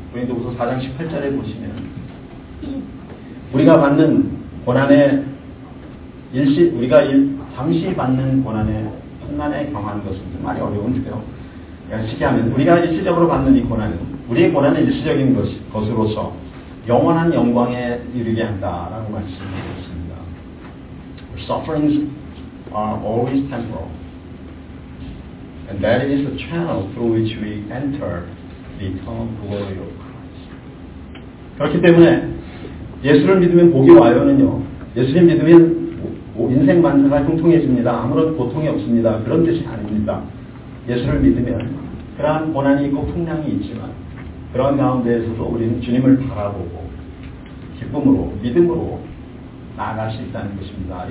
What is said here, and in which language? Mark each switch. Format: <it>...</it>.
<ko>고린도후서 4장 18절에 보시면 우리가 받는 고난의 일시 우리가 잠시 받는 고난의 환난에 경한 것은 좀 많이 어려운데요. 쉽게 하면 우리가 일시적으로 받는 이 고난은 우리의 고난은 일시적인 것으로서 영원한 영광에 이르게 한다라고 말씀드렸습니다.</ko> <en>Sufferings are always temporal. And that is the channel through which we enter the eternal glory of Christ.</en> <ko>그렇기 때문에 예수를 믿으면 복이 와요는요. 예수님 믿으면 인생 만사가 형통해집니다. 아무런 고통이 없습니다. 그런 뜻이 아닙니다. 예수를 믿으면 그러한 고난이 있고 풍랑이 있지만 그런 가운데에서도 우리는 주님을 바라보고 기쁨으로 믿음으로 나아갈 수 있다는 것입니다.</ko>